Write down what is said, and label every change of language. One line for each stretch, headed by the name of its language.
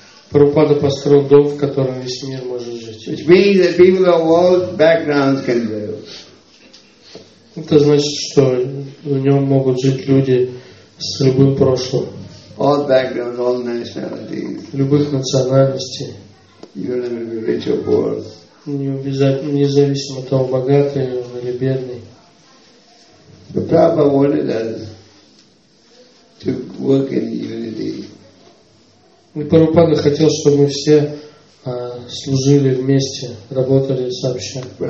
Russian: Прабхупада построил дом, в котором весь мир может жить.
English: Which means that people of all backgrounds can live.
Russian: Это значит, что в нем могут жить люди с любым прошлым.
English: All backgrounds, all nationalities.
Russian: Любых национальностей.
English: You don't have to be rich or poor.
Russian: Независимо от того, богатый или бедный.
English: But Prabhupada wanted us to work in unity.
Russian: И Прабхупада хотел, чтобы мы все служили вместе, работали сообща.